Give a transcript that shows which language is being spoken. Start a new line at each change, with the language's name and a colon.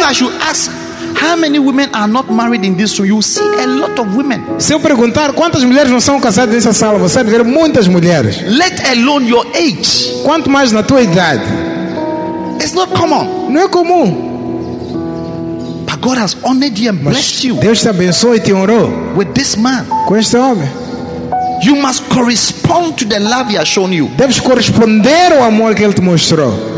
English: If I should ask how many women are not married in this room, you will see a lot of women.
Portuguese: Se eu perguntar quantas mulheres não são casadas nessa sala, você vai ver muitas mulheres.
English: Let alone your age.
Portuguese: Quanto mais na tua idade.
English: It's not common.
Portuguese: Não é comum.
English: God has honored you and blessed you.
Portuguese: Deus te abençoou e te honrou.
English: With this man.
Portuguese: Com este homem.
English: You must correspond to the love he has shown you.
Portuguese: Deves corresponder ao amor que ele te mostrou.